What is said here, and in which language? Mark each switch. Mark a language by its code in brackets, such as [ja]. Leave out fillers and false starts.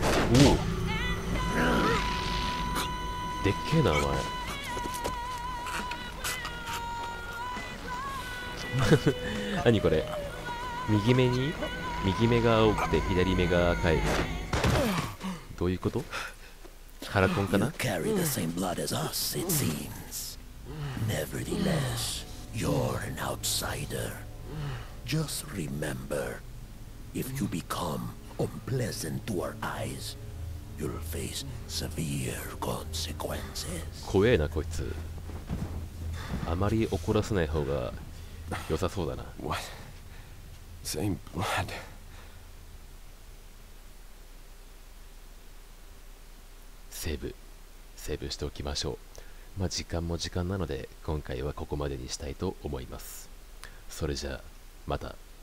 [ja] おお、でっけえなお前。何これ、右目に、右目が青くて左目が赤い、どういうこと。カラコンかな。 [en] You carry the same blood as us, it seems. Nevertheless, you're an outsider. Just remember, if you become unpleasant to our eyes, you'll face severe consequences. [ja] 怖えなこいつ。あまり怒らせない方が良さそうだな。 [en] What? Same blood. [ja] セーブ、セーブしておきましょう。まあ時間も時間なので今回はここまでにしたいと思います。それじゃあまた。